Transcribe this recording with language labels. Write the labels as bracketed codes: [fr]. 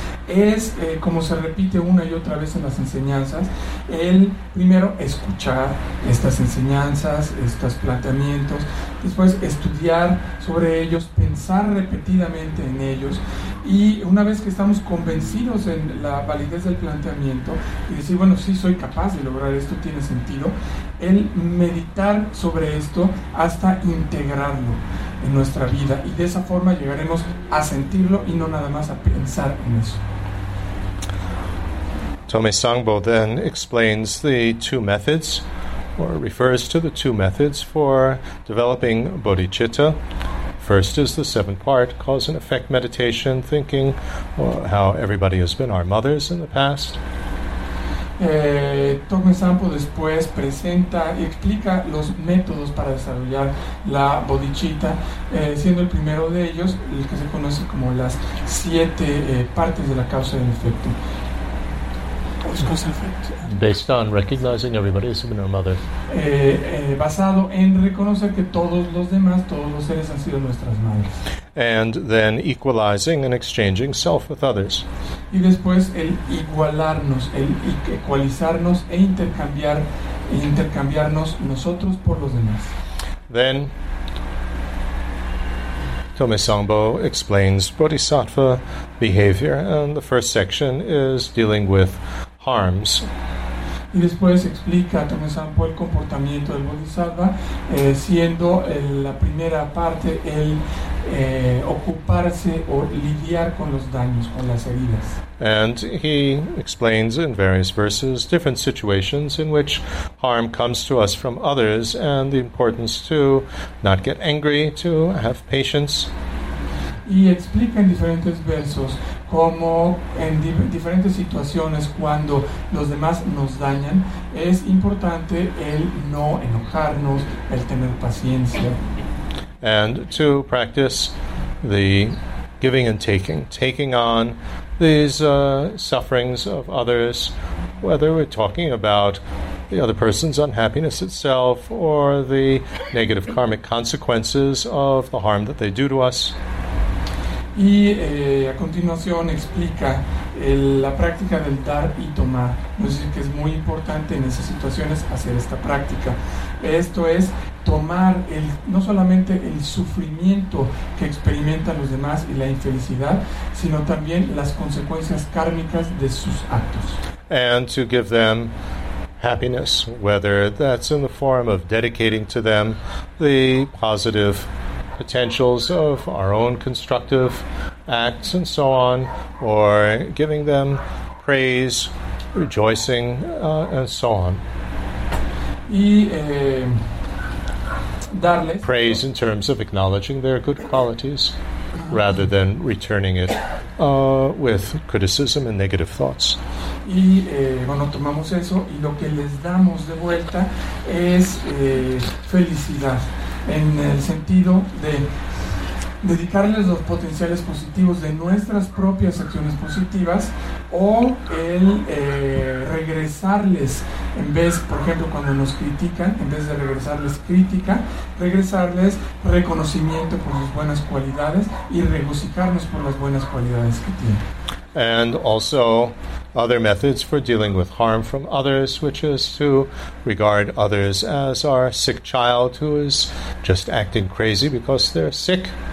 [es] es, como se repite una y otra vez en las enseñanzas, el primero escuchar estas enseñanzas, estos planteamientos, después estudiar sobre ellos, pensar repetidamente en ellos, y una vez que estamos convencidos en la validez del planteamiento y decir, bueno, sí, soy capaz de lograr esto, tiene sentido, el meditar sobre esto hasta integrarlo en nuestra vida, y de esa forma llegaremos a sentirlo y no nada más a pensar en eso. [en] Tome Sangbo then explains the two methods, or refers to the two methods for developing bodhicitta. First is the seven-part cause and effect meditation, thinking how everybody has been our mothers in the past. [es] Tome Sangbo después presenta y explica los métodos para desarrollar la bodhicitta, siendo el primero de ellos el que se conoce como las siete partes de la causa y el efecto. [en] Based on recognizing everybody has been our mother. [es] Basado en reconocer que todos los demás, todos los seres han sido nuestras madres. [en] And then equalizing and exchanging self with others. [es] Y después el igualarnos, el equalizarnos e intercambiarnos nosotros por los demás. [en] Then Tome Sangbo explains bodhisattva behavior, and the first section is dealing with harms. [es] Y después explica Tome Sangbo el comportamiento del bodhisattva, siendo la primera parte el ocuparse o lidiar con los daños, con las heridas. [en] And he explains in various verses different situations in which harm comes to us from others, and the importance to not get angry, to have patience. [es] Y explica en diferentes versos cómo en diferentes situaciones cuando los demás nos dañan es importante el no enojarnos, el tener paciencia. [en] And to practice the giving and taking, taking on these sufferings of others, whether we're talking about the other person's unhappiness itself or the negative karmic consequences of the harm that they do to us. [es] Y a continuación explica la práctica del dar y tomar. Es decir, que es muy importante en esas situaciones hacer esta práctica. Esto es tomar no solamente el sufrimiento que experimentan los demás y la infelicidad, sino también las consecuencias kármicas de sus actos. [en] And to give them happiness, whether that's in the form of dedicating to them the positive potentials of our own constructive acts and so on, or giving them praise, rejoicing, and so on. [es] Y, darles [en] praise in terms of acknowledging their good qualities rather than returning it with criticism and negative thoughts. [es] Y bueno, tomamos eso y lo que les damos de vuelta es felicidad. En el sentido de dedicarles los potenciales positivos de nuestras propias acciones positivas o el regresarles, en vez, por ejemplo, cuando nos critican, en vez de regresarles crítica, regresarles reconocimiento por sus buenas cualidades y regocijarnos por las buenas cualidades que tienen. [en] And also other methods for dealing with harm from others, which is to regard others as our sick child who is just acting crazy because they're sick.